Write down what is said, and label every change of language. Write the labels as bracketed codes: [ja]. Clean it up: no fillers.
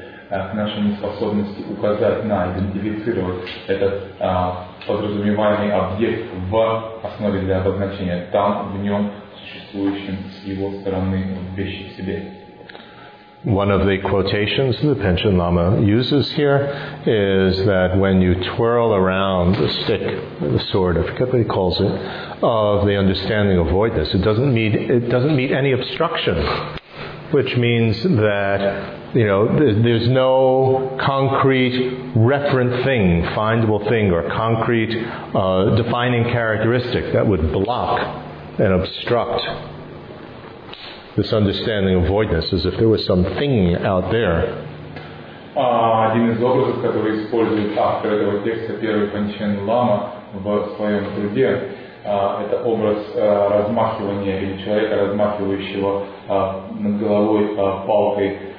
[ru] К нашей неспособности указать на, идентифицировать этот подразумеваемый объект в основе для обозначения, там, в нем, существующем с его стороны вещи в себе. [en] One of the quotations the Panchen Lama uses here is that when you twirl around the stick, the sword, I forget what he calls it, of the understanding of voidness, it doesn't meet any obstruction, which means that you know, there's no concrete referent thing, findable thing, or concrete defining characteristic that would block and obstruct this understanding of voidness, as if there was some thing out there. [ru] Один из образов, который использует автор этого текста, первый Панчен Лама, в своем труде, это образ размахивания, или человека, размахивающего над головой палкой.